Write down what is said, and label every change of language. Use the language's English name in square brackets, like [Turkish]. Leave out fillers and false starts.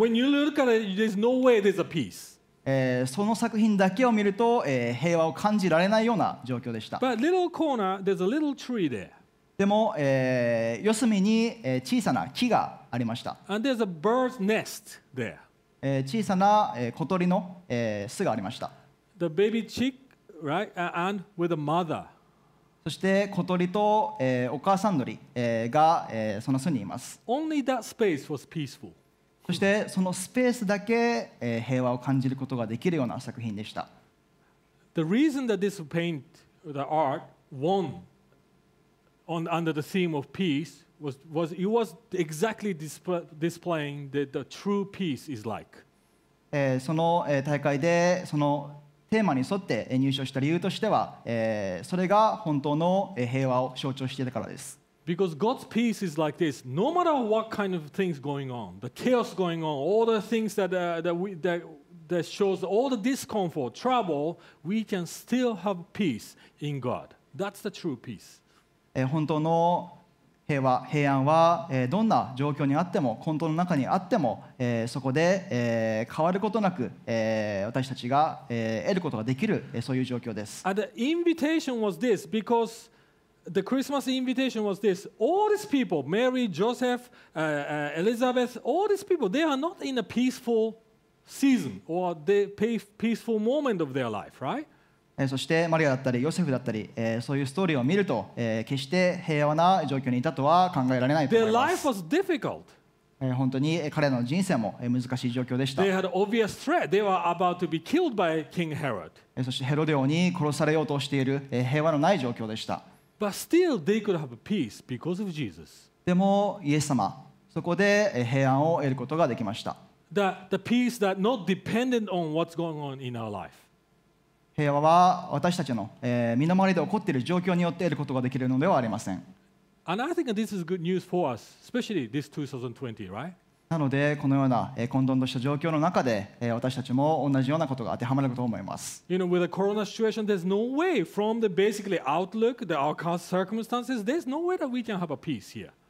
[English] When you look at it, there's no way there's a peace. [Japanese] その作品だけを見ると平和を感じられないような状況でした。 [English] But little corner, there's a little tree there. [Japanese] でも四隅に小さな木がありました。 [English] And there's a bird's nest there. [Japanese] 小さな小鳥の巣がありました。 [English] The baby chick, right? And with a mother. [Japanese] そして小鳥と、お母さん鳥、が、その巣にいます。 [English] Only that space was peaceful. [Japanese] そしてそのスペースだけ、平和を感じることができるような作品でした。 [English] The reason that this paint, the art, won on, under the theme of peace was, it was exactly displaying that the true peace is like. [Japanese] その、大会でそのテーマに沿って入賞した理由としては、それが本当の平和を象徴していたからです。 [English] Because God's peace is like this. No matter what kind of things going on, the chaos going on, all the things that, that shows all the discomfort, trouble, we can still have peace in God. That's the true peace. [Japanese] 本当の平和、平安は、どんな状況にあっても、混沌の中にあっても、そこで、変わることなく、私たちが、得ることができる、そういう状況です。 [English] And the invitation was this, because the Christmas invitation was this. All these people, Mary, Joseph, Elizabeth, all these people, they are not in a peaceful season or the peaceful moment of their life, right? [Japanese] そしてマリアだったりヨセフだったり、そういうストーリーを見ると、決して平和な状況にいたとは考えられないと思います。 [English] Their life was difficult. [Japanese] 本当に彼らの人生も難しい状況でした。 [English] They had obvious threat. They were about to be killed by King Herod. [Japanese] そしてヘロデ王に殺されようとしている、平和のない状況でした。 [English] But still, they could have peace because of Jesus. [Japanese] でもイエス様、そこで平安を得ることができました。 [English] The peace that not dependent on what's going on in our life. [Japanese] 平和は私たちの身の回りで起こっている状況によって得ることができるのではありません。 [English] And I think this is good news for us, especially this 2020, right? [Japanese] なのでこのような混沌とした状況の中で私たちも同じようなことが当てはまると思います。 [English] You know, with the corona situation, there's no way from the basically outlook, the our circumstances, there's no way that we can have a peace here.